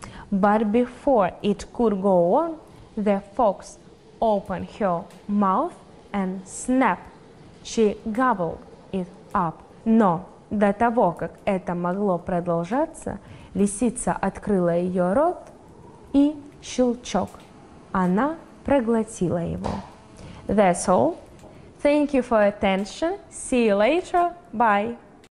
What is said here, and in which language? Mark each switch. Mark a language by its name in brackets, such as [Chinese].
[English] But before it could go on, the fox opened her mouth and snap. She gobbled it up. [Russian] Но до того, как это могло продолжаться, лисица открыла ее рот и щелчок. Она проглотила его. [English] That's all. Thank you for attention. See you later. Bye.